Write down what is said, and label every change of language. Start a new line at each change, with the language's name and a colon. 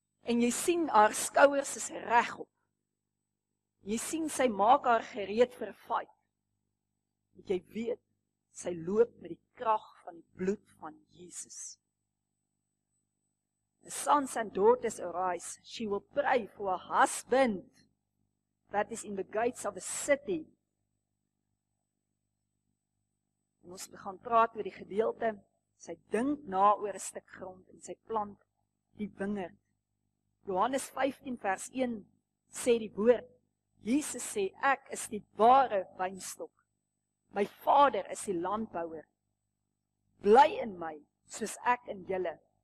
Afrikaans: En jy sien, haar skouers is reg op. Jy sien, sy maak haar gereed vir fight. Want jy weet, sy loop met die krag van die bloed van Jesus.
English: The sons and daughters arise, she will pray for her husband that is in the gates of the city.
Afrikaans: En ons begin praat oor die gedeelte, sy dink na oor een stuk grond en sy plant die wingerd. Johannes 15 vers 1 sê die woord, Jesus sê, ek is die ware wynstok, my vader is die landbouwer, bly in my soos ek in julle.